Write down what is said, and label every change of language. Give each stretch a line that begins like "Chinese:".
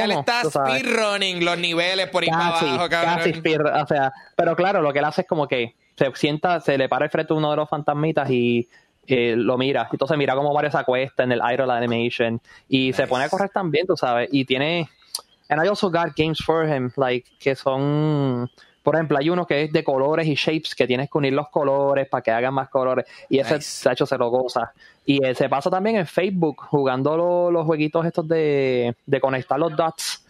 Spanish: Ya le está speedrunning los niveles por ahí casi, abajo, cabrón. Casi speedrunning, o sea, pero claro, lo que él hace es como que se sienta, se le para el frente a uno de los fantasmitas y lo mira. Entonces mira cómo Mario se acuesta en el Idol Animation y nice. Se pone a correr también, tú sabes, y tiene...
English: And I also got games for him, like,
Spanish: que son... Por ejemplo, hay uno que es de colores y shapes que tienes que unir los colores para que hagan más colores. Y ese nice. Sacho se lo goza. Y se pasa también en Facebook jugando los jueguitos estos de conectar los dots.